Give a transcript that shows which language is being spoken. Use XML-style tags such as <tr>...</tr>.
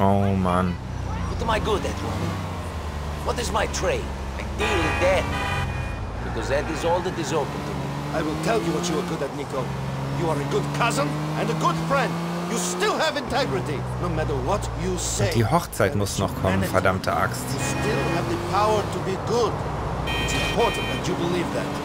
<en>Oh, man. What am I good at, woman? What is my trade? I deal in death. Because that is all that is open to me. I will tell you what you are good at, Nico. You are a good cousin and a good friend. You still have integrity, no matter what you say.</en> <de>Die Hochzeit muss noch kommen, verdammte Axt.</de> <en>You still have the power to be good. It's important that you believe that.</en>